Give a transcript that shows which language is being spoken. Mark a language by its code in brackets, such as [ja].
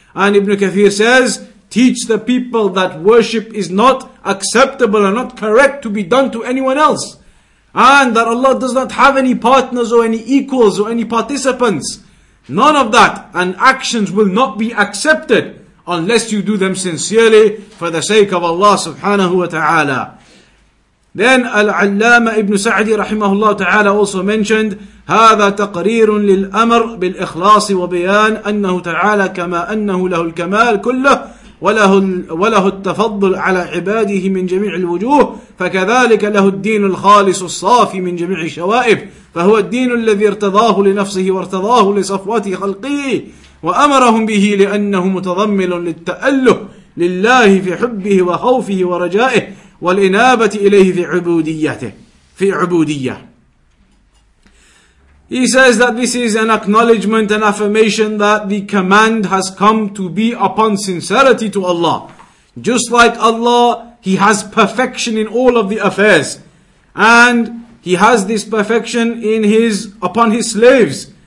[en] And Ibn Kathir says, teach the people that worship is not acceptable and not correct to be done to anyone else. And that Allah does not have any partners or any equals or any participants. None of that. And actions will not be accepted unless you do them sincerely for the sake of Allah subhanahu wa ta'ala. Then Al-Allama Ibn Sa'di rahimahullah ta'ala also mentioned, [ar] هذا تقرير للأمر بالإخلاص وبيان أنه تعالى كما أنه له الكمال كله وله التفضل على عباده من جميع الوجوه فكذلك له الدين الخالص الصافي من جميع الشوائب فهو الدين الذي ارتضاه لنفسه وارتضاه لصفوات خلقه وأمرهم به لأنه متضمن للتأله لله في حبه وخوفه ورجائه والإنابة إليه في عبوديته في عبودية. [en] He says that this is an acknowledgement, an affirmation that the command has come to be upon sincerity to Allah. Just like Allah, He has perfection in all of the affairs. And He has this perfection upon His slaves.